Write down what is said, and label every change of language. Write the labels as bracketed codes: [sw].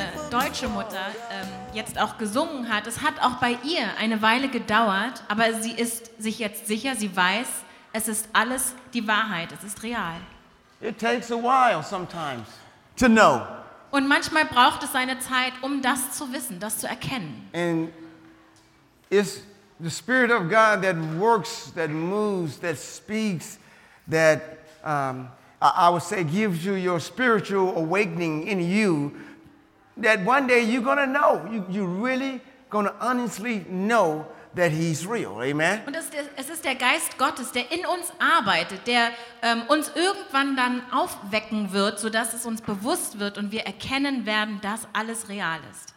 [de] deutsche Mutter jetzt auch gesungen hat, es hat auch bei ihr eine Weile gedauert, aber sie ist sich jetzt sicher, sie weiß, es ist alles die Wahrheit, es ist real. [en] It takes a while sometimes to know. [de] Und manchmal braucht es seine Zeit, um das zu wissen, das zu erkennen. [en] And it's the Spirit of God that works, that moves, that speaks, that I would say gives you your spiritual awakening in you, that one day you're going to know, you're really going to honestly know that he's real, amen? [de] Und es ist der Geist Gottes, der in uns arbeitet, der uns irgendwann dann aufwecken wird, sodass es uns bewusst wird und wir erkennen werden, dass alles real ist.